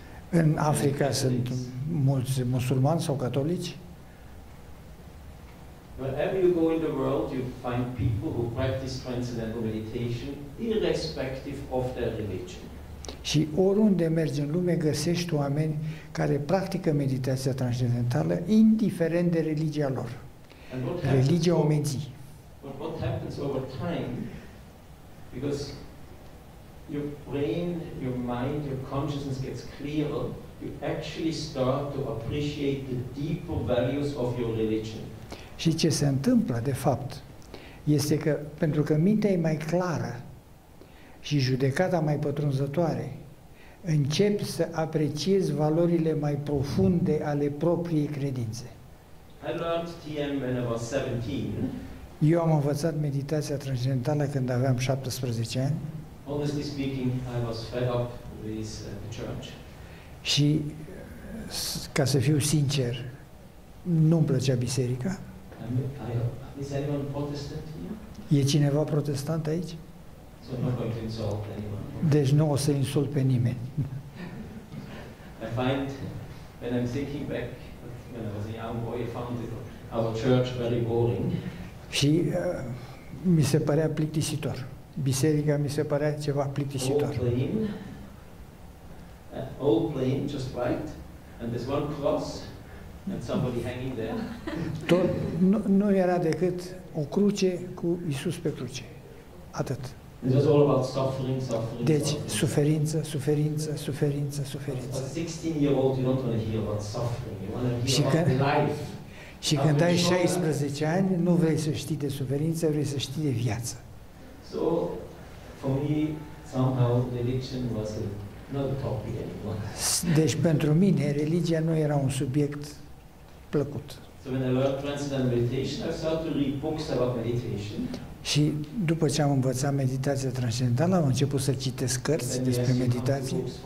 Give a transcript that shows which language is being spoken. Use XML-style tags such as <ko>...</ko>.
<ro>În Africa sunt mulți musulmani sau catolici.</ro> <en>Wherever you go in the world, you find people who practice transcendental meditation irrespective of their religion.</en> <ro>Și oriunde mergi în lume găsești oameni care practică meditația transcendentală indiferent de religia lor. Religia o menții.</ro> <en>But what happens over time? Because your brain, your mind, your consciousness gets clearer, you actually start to appreciate the deeper values of your religion.</en> <ro>Și ce se întâmplă, de fapt, este că, pentru că mintea e mai clară și judecata mai pătrunzătoare, începi să apreciezi valorile mai profunde ale propriei credințe.</ro> <en>I learned TM when I was 17.</en> <ro>Eu am învățat meditația transcendentală când aveam 17 ani.</ro> <en>Honestly speaking, I was fed up with the church.</en> <ro>Și, ca să fiu sincer, nu-mi plăcea biserica.</ro> <en>Is anyone Protestant here?</en> <ro>E cineva protestant aici?</ro> <en>So I'm not going to insult anyone.</en> <ro>Deci nu o să insult pe nimeni.</ro> <en>I find, when I'm thinking back, when I was a young boy, I found our church very boring.</en> <ro>Și mi se părea plictisitor. Biserica mi se părea ceva plictisitor.</ro> <en>All plain, just right, and there's one cross. And somebody hanging there.</en> <ro>Tot, nu era decât o cruce cu Iisus pe cruce. Atât.</ro> <en>It was all about suffering, suffering.</en> <ro>Deci suferință, suferință, suferință, suferință.</ro> <en>As a 16-year-old, you don't want to hear about suffering. You want to hear about life.</en> <ro>Și când ai 16 ani, nu vrei să știi de suferință, vrei să știi de viață.</ro> <en>So, for me, somehow religion was not a topic anymore.</en> <ro>Deci pentru mine religia nu era un subiect plăcut.</ro> <en>So when I learned transcendental meditation, I started to read books about meditation.</en> <ro>Și după ce am învățat meditația transcendentală, am început să citesc cărți despre meditație.</ro>